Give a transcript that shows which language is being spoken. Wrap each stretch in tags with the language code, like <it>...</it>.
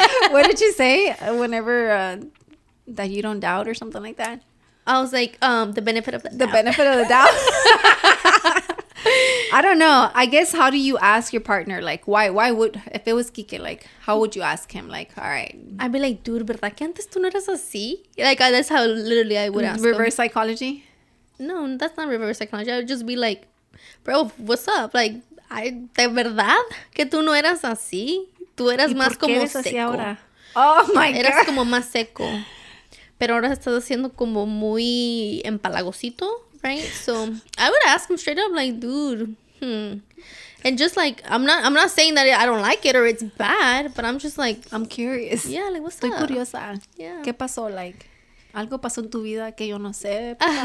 <en>What did you say whenever that you don't doubt or something like that? I was like, the benefit of the doubt. The benefit of the doubt. I don't know. I guess, how do you ask your partner? Like, why would, if it was Kike, like, how would you ask him? Like, all right. I'd be like, dude,</en> <es>¿verdad que antes tú no eras así?</es> <en>Like, that's how literally I would ask him. Reverse psychology? No, that's not reverse psychology. I would just be like, bro, what's up?</en> <es>Like, ay, de verdad que tú no eras así. Tú eras más como seco. ¿Y por qué eres así ahora?</es> <en>Oh my god.</en> <es>Eras como más seco. Pero ahora estás haciendo como muy empalagosito, right?</es> <en>So I would ask him straight up, like, dude. And just like, I'm not saying that I don't like it or it's bad, but I'm just like, I'm curious. Yeah, like, what's</en> <es>Estoy</es> <en>up?</en> <es>Estoy curiosa.</es> <en>Yeah.</en> <es>¿Qué pasó? Like, algo pasó en tu vida que yo no sé.</es>